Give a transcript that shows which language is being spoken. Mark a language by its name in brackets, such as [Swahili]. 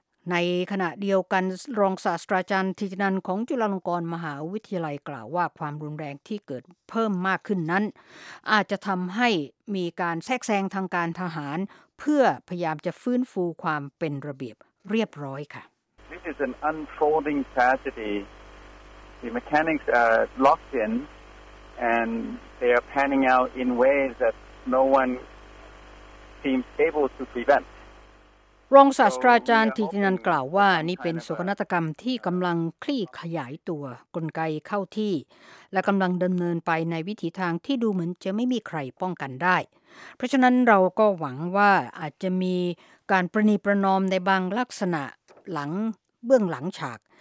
[Thai] ในขณะเดียวกันรองศาสตราจารย์ทิตินันท์ของจุฬาลงกรณ์มหาวิทยาลัยกล่าวว่าความรุนแรงที่เกิดเพิ่มมากขึ้นนั้นอาจจะทำให้มีการแทรกแซงทางการทหารเพื่อพยายามจะฟื้นฟูความเป็นระเบียบเรียบร้อยค่ะ [English] This is an unfolding tragedy. The mechanics are locked in and they are panning out in ways that no one seems able to prevent [Thai] รองศาสตราจารย์ทิตินันท์กล่าวว่านี่เป็นโศกนาฏกรรมที่กำลังคลี่ขยายตัวกลไกเข้าที่และกำลังดำเนินไปในวิถีทางที่ดูเหมือนจะไม่มีใครป้องกันได้เพราะฉะนั้นเราก็หวังว่าอาจจะมีการประนีประนอมในบางลักษณะหลังเบื้องหลังฉาก